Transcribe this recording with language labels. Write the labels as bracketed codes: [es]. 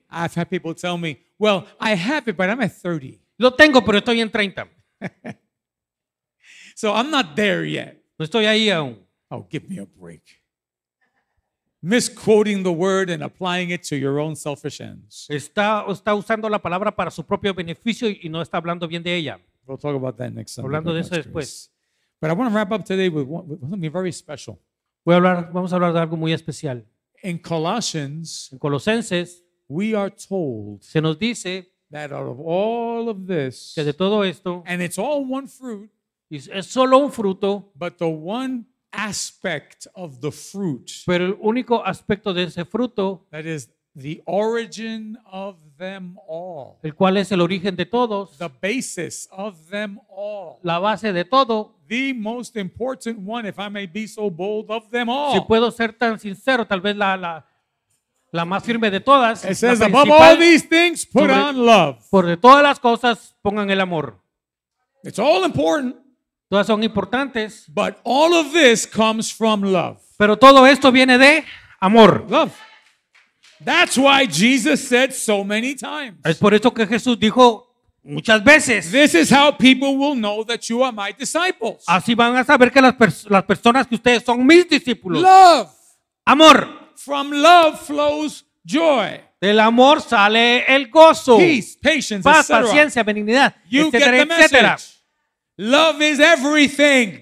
[en] I've had people tell me, well, I have it, but I'm at 30. [es] Lo tengo, pero estoy en 30. [en] So I'm not there yet. [es] No estoy ahí aún. [en] Oh, give me a break. Misquoting the word and applying it to your own selfish ends. [es] Está usando la palabra para su propio beneficio y no está hablando bien de ella. [en] We'll talk about that next time. [es] Hablando de eso después. [en] But I want to wrap up today with something very special. [es] Vamos a hablar de algo muy especial. [en] In Colossians, [es] en Colosenses, [en] we are told, [es] se nos dice, [en] that out of all of this, [es] que de todo esto, [en] and it's all one fruit, [es] es solo un fruto, [en] but the one aspect of the fruit. [es] Pero el único aspecto de ese fruto, [en] that is the origin of them all. [es] El cual es el origen de todos. [en] The basis of them all. [es] La base de todo. [en] The most important one, if I may be so bold, of them all. [es] Si puedo ser tan sincero, tal vez la más firme de todas. [en] It says, above all these things, put on love. [es] Por de todas las cosas, pongan el amor. [en] It's all important. [es] Todas son importantes. [en] But all of this comes from love. [es] Pero todo esto viene de amor. [en] Love. That's why Jesus said so many times. [es] Es por eso que Jesús dijo muchas veces. [en] This is how people will know that you are my disciples. [es] Así van a saber que las personas que ustedes son mis discípulos. [en] Love. [es] Amor. [en] From love flows joy. [es] Del amor sale el gozo. [en] Peace, patience, [es] paz, paciencia, benignidad, etcétera. [en] Love is everything.